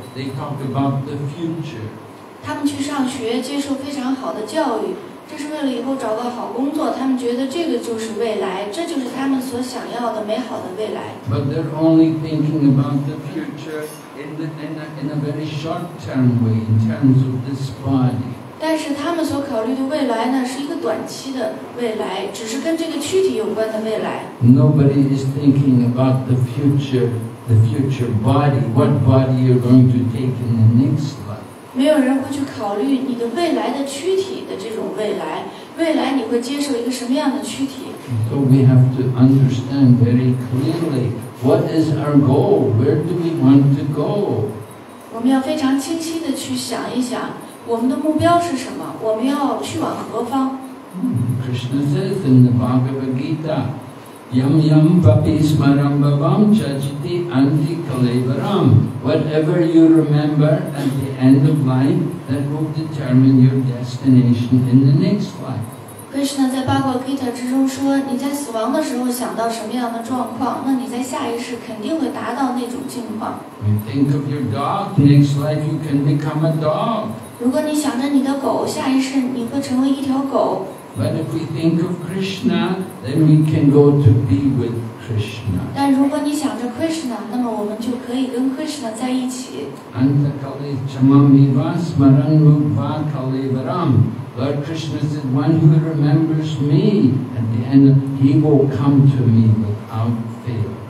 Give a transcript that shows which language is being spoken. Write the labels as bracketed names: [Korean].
[English] They talk about the future. [Chinese] 他们去上学，接受非常好的教育，这是为了以后找到好工作，他们觉得这个就是未来，这就是他们所想要的美好的未来。 [English] But they're only thinking about the future in a very short-term way, in terms of this body. [Chinese] 但是他们所考虑的未来呢，是一个短期的未来，只是跟这个躯体有关的未来。 [English] Nobody is thinking about the future body, what body you're going to take in the next life. [Chinese] 没有人会去考虑你的未来的躯体的这种未来，未来你会接受一个什么样的躯体。 [English] So we have to understand very clearly what is our goal, where do we want to go? [Chinese] 我们要非常清晰地去想一想。我们的目标是什么？我们要去往何方？ [English] Krishna says in the Bhagavad Gita, [Sanskrit] Yam Yam Papi Smaram Babam Chachiti Anti Kalevaram. [English] Whatever you remember at the end of life, that will determine your destination in the next life. [Chinese] Krishna 在 Bhagavad Gita 之中说，你在死亡的时候想到什么样的状况，那你在下一世肯定会达到那种境况。 [English] You think of your dog, next life you can become a dog. [Chinese] 如果你想着你的狗，下一世你会成为一条狗。 [English] But if we think of Krishna, then we can go to be with Krishna. [Chinese] 但如果你想着 Krishna, 那么我们就可以跟 Krishna 在一起。 [Sanskrit] Antakale chamami vasmaranubha kalevaram. [English] Lord Krishna said, one who remembers me, at the end, he will come to me without fail.